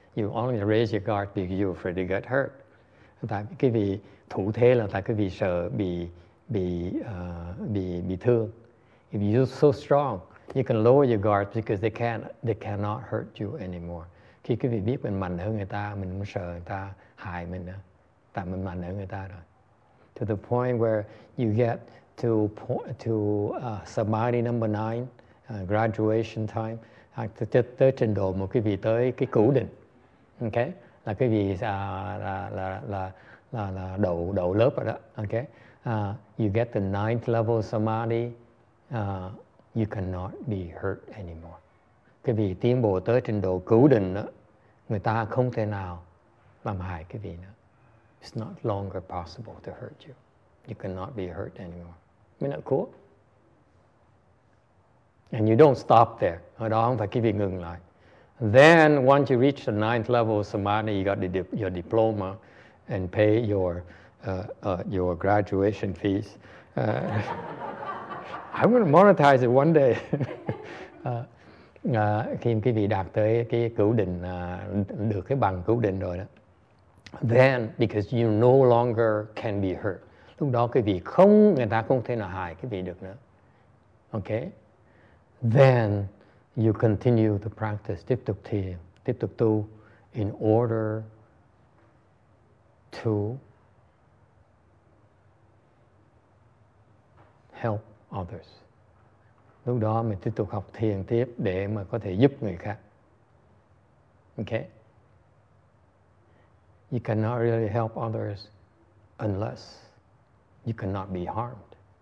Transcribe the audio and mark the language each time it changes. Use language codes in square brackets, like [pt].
[en] You only raise your guard because you're afraid to get hurt. [vi] Tại quý vị thủ thế là tại quý vị sợ bị thương. [en] If you're so strong, you can lower your guard because they cannot hurt you anymore. [vi] Khi quý vị biết mình mạnh hơn người ta, mình không sợ người ta hại mình nữa. Tại mình mạnh hơn người ta rồi. [en] To the point where you get to samadhi number 9, graduation time, [vi] tới trình độ mà quý vị tới cái cửu định. Okay? Là quý vị là đậu lớp rồi đó. [en] Okay? You get the 9th level samadhi, you cannot be hurt anymore. [vi] Quý vị tiến bộ tới trình độ cửu định đó, người ta không thể nào làm hại quý vị nữa. [en] It's not longer possible to hurt you. You cannot be hurt anymore. Isn't that cool? And you don't stop there. [vi] Ở đó không phải quý vị ngừng lại. [en] Then, once you reach the 9th level of samadhi, you got your diploma and pay your graduation fees. I'm going to monetize it one day. [vi] Khi quý vị đạt tới cái cửu định, được cái bằng cửu định rồi đó. [en] Then, because you no longer can be hurt. [vi] Lúc đó quý vị không, người ta không thể nào hại quý vị được nữa. [en] Okay? Then, you continue to practice, [vi] tiếp tục thiền, tiếp tục tu, [en] in order to help others. [vi] Lúc đó mình tiếp tục học thiền tiếp để mà có thể giúp người khác. [en] Okay? You cannot really help others unless you cannot be harmed.